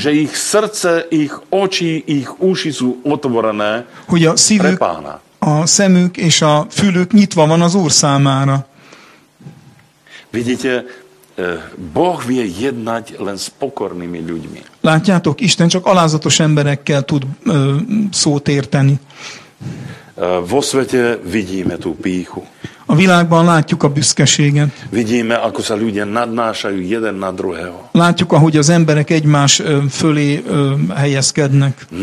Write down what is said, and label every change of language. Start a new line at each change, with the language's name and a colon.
Slovak: Že ich srdce, ich oči, ich uši sú otvorené.
Hungarian: Hogy a szívük, a szemük és a fülük nyitva van az Úr számára.
Slovak: Vidíte, Boh vie jednať len s pokornými ľuďmi.
Hungarian: Látjátok, Isten csak alázatos emberekkel tud szót érteni.
Slovak: Vo svete vidíme tú pýchu.
Hungarian: A világban látjuk a büszkeséget.
Slovak: Vidíme, ako sa ľudia nadnášajú jeden na druhého.
Hungarian: Látjuk, ahogy az emberek egymás fölé helyezkednek.